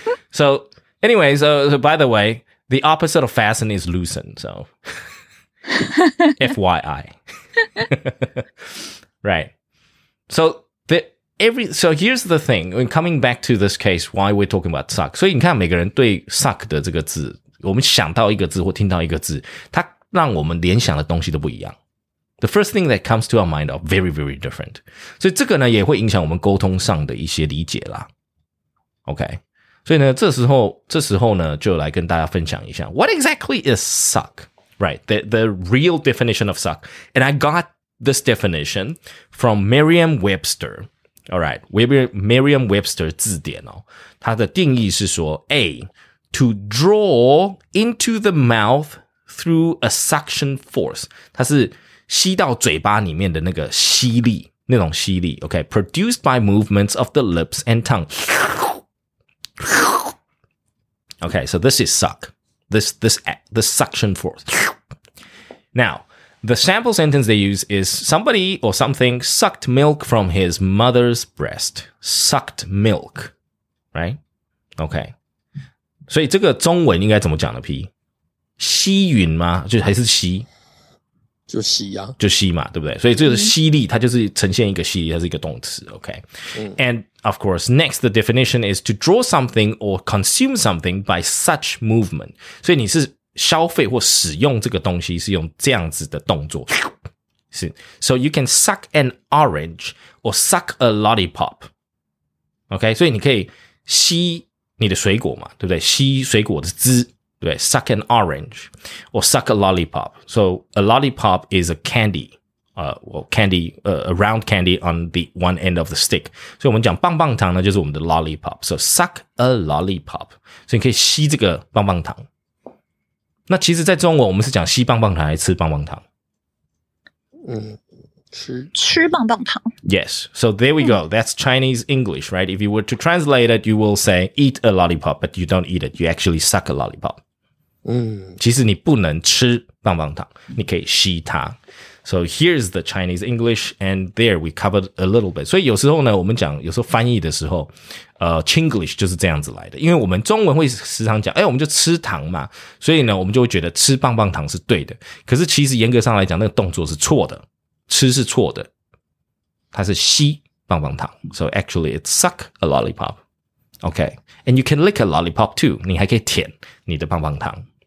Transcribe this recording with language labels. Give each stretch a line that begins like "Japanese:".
English: So anyway, so by the way, the opposite of fasten is loosen. So FYI. Right. So So here's the thing, when coming back to this case, why we're talking about suck.
Chinese: 所以你看每个人对 suck 的这个字，我们想到一个字或听到一个字，它让我们联想的东西都不一样。
English: The first thing that comes to our mind are very, very different.
Chinese: 所以这个呢也会影响我们沟通上的一些理解啦。 Okay. 所以呢这时候呢就来跟大家分享一下
English: What exactly is suck? Right. The real definition of suck. And I got this definition from Merriam-Webster. Alright, Merriam-Webster
Chinese: 字典哦，它的定义是说
English: A, to draw into the mouth through a suction force.
Chinese: 它是吸到嘴巴里面的那个吸力，那种吸力 ,
English: okay, produced by movements of the lips and tongue. Okay, so this is suck. This suction force. Now,The sample sentence they use is somebody or something sucked milk from his mother's breast. Sucked milk, right? Okay.
Chinese: 所以这个中文应该怎么讲呢 P? 吸吮吗就还是吸就吸啊。就吸嘛对不对所以这个吸力它就是呈现一个吸力它是一个动词 okay.、嗯、
English: And of course, next, the definition is to draw something or consume something by such movement.
Chinese: 所以你是消费或使用这个东西是用这样子的动作。
English: 是。So you can suck an orange or suck a lollipop.
Chinese: Okay, 所以你可以吸你的水果嘛对不对吸水果的汁对不对 ?
English: suck an orange or suck a lollipop. So a lollipop is a candy, a round candy on the one end of the stick.
Chinese: 所以我们讲棒棒糖呢就是我们的 lollipop.
English: So suck a lollipop.
Chinese: 所以你可以吸这个棒棒糖。那其实在中文我们是讲吸棒棒糖还是吃棒棒糖吃棒棒糖
English: Yes, so there we go, that's Chinese English, right? If you were to translate it, you will say eat a lollipop, but you don't eat it, you actually suck a lollipop
Chinese: 其实你不能吃棒棒糖你可以吸它
English: So here's the Chinese English, and there we covered a little bit.
Chinese: 所以有时候呢，我们讲有时候翻译的时候，Chinglish 就是这样子来的。因为我们中文会时常讲，哎，我们就吃糖嘛，所以呢，我们就会觉得吃棒棒糖是对的。可是其实严格上来讲，那个动作是错的，吃是错的，它是吸棒棒糖。
English: So actually, it suck a lollipop. Okay, and you can lick a lollipop too.
Chinese: 你还可以舔你的棒棒糖。